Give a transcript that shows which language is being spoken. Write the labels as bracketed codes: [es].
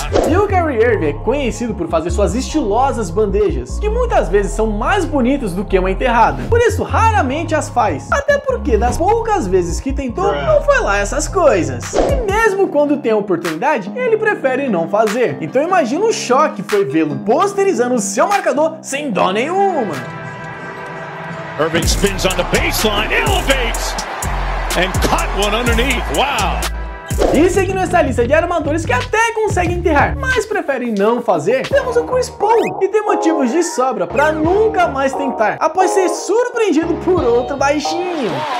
[pt] E o Kyrie Irving é conhecido por fazer suas estilosas bandejas, que muitas vezes são mais bonitas do que uma enterrada. Por isso, raramente as faz. Até porque, das poucas vezes que tentou, não foi lá essas coisas. E mesmo quando tem a oportunidade, ele prefere não fazer. Então imagina o choque que foi vê-lo posterizando o seu marcador sem dó nenhuma. [en] Irving spins on the baseline, elevates, and caught one underneath. Wow! [pt] E seguindo essa lista de armadores que até conseguem enterrar, mas preferem não fazer, temos o Chris Paul, que tem motivos de sobra para nunca mais tentar, após ser surpreendido por outro baixinho.